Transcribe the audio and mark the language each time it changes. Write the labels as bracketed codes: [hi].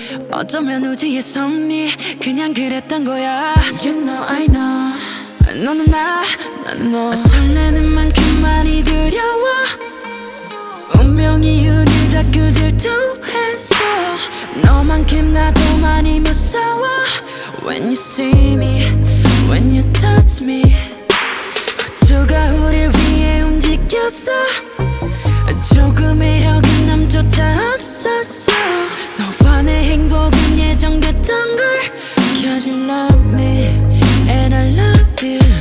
[ko] 어쩌면 우주의 섭리 그냥 그랬던 거야. [en] You know I know [ko] 너는 나 나는 너. 설레는 만큼 많이 두려워. 운명이 우릴 자꾸 질투해서 너만큼 나도 많이 무서워. [en] When you see me, when you touch me, [ko] 우주가 우릴 위해 움직였어. 조금의 여긴 남조차 없었어. 너와 내 행복은 예정됐던 걸. [en] 'Cause you love me and I love you.